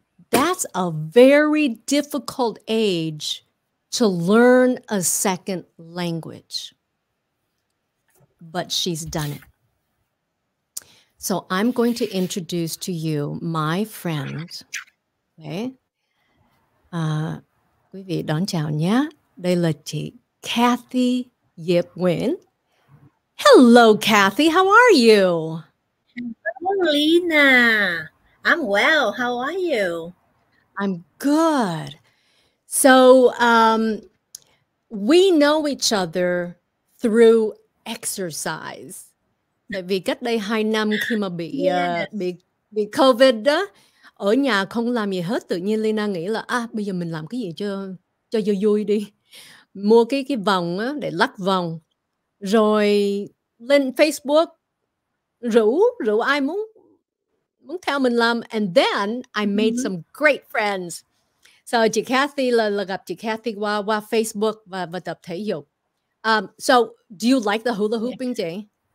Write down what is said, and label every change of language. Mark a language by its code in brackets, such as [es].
[en] That's a very difficult age to learn a second language. But she's done it. So I'm going to introduce to you my friend. [vi] Okay. Quý vị đón chào nhé. Đây là chị Kathy Diệp Nguyễn. [en] Hello, Kathy. How are you? Hello, Lina. I'm well. How are you? I'm good. So we know each other through exercise. [vi] Tại vì cách đây 2 năm khi mà bị bị COVID đó, ở nhà không làm gì hết, tự nhiên Lina nghĩ là bây giờ mình làm cái gì cho vui đi. Mua cái vòng á để lắc vòng. Rồi lên Facebook rủ ai muốn theo mình làm, [en] and then I made some great friends. [vi] So chị Kathy là gặp chị Kathy qua Facebook và tập thể dục. [en] So do you like the hula hooping day?